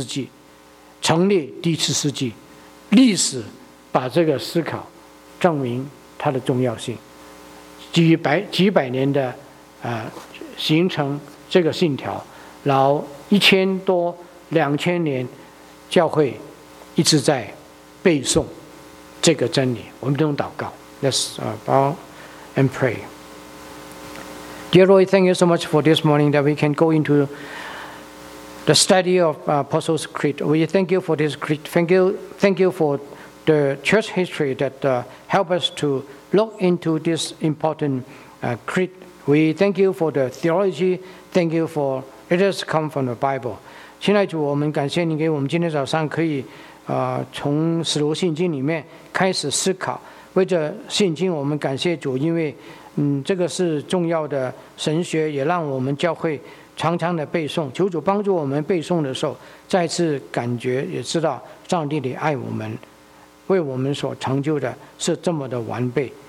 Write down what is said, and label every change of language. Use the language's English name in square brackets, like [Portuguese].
[Chinese] 使徒信经并非十二使徒的写作，只是却是十二使徒的教导，缘起第四世纪，成立第四世纪。历史把这个思考证明它的重要性，几百年的形成这个信条，然后1000多2000年教会一直在背诵这个真理。我们都用祷告。 [English] Let's bow and pray. Dear Lord, thank you so much for this morning that we can go into the study of Apostles' Creed. We thank you for this creed. Thank you for the church history that help us to look into this important creed. We thank you for the theology. Thank you for it has come from the Bible. [Chinese] 亲爱主，我们感谢你给我们今天早上可以从使徒信经里面开始思考。为着信经，我们感谢主，因为这个是重要的神学，也让我们教会常常的背诵。求主帮助我们背诵的时候再次感觉也知道上帝的爱，我们为我们所成就的是这么的完备。